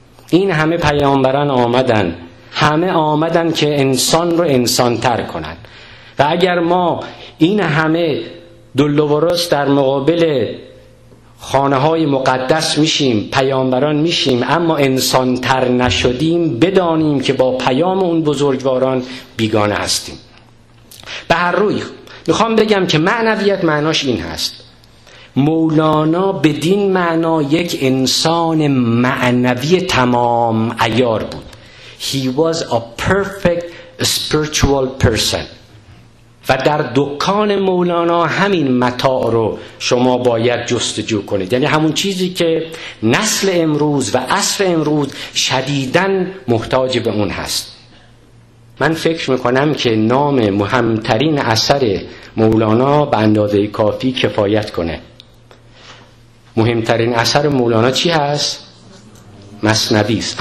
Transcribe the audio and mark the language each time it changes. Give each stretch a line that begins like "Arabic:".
Persian: این همه پیامبران آمدن، همه آمدن که انسان رو انسان تر کنن، و اگر ما این همه دل و راس در مقابل خانه های مقدس میشیم، پیامبران میشیم، اما انسان تر نشدیم، بدانیم که با پیام اون بزرگواران بیگانه هستیم. به هر روی میخوام بگم که معنویت معناش این هست، مولانا بدین معنا یک انسان معنوی تمام عیار بود.
English: He was a perfect spiritual person.
Persian: و در دکان مولانا همین متاع رو شما باید جستجو کنید، یعنی همون چیزی که نسل امروز و عصر امروز شدیداً محتاج به اون هست. من فکر میکنم که نام مهمترین اثر مولانا به اندازه کافی کفایت کنه. مهمترین اثر مولانا چی هست؟ مثنوی است.